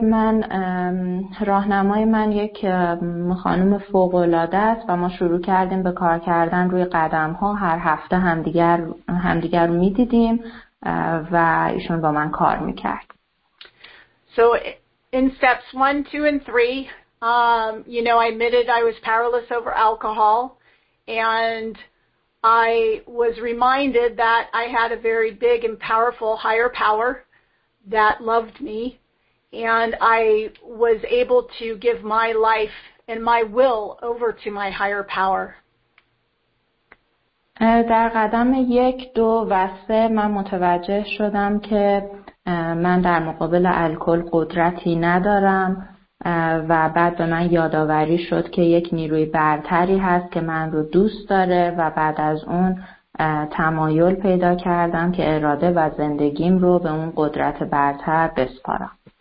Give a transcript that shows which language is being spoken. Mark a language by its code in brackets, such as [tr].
[fa] من راهنمای من یک خانم فوق‌العاده است و ما شروع کردیم به کار کردن روی قدم‌ها. هر هفته همدیگر رو می‌دیدیم و ایشون با من کار می‌کرد. [en] So in steps 1, 2, and 3, I admitted I was powerless over alcohol, and I was reminded that I had a very big and powerful higher power that loved me, and I was able to give my life and my will over to my higher power. [fa] در قدم 1, 2, و 3 من متوجه شدم که من در مقابل الکل قدرتی ندارم و بعد به من یادآوری شد که یک نیروی برتری هست که من رو دوست داره و بعد از اون تمایل پیدا کردم که اراده و زندگیم رو به اون قدرت برتر بسپارم.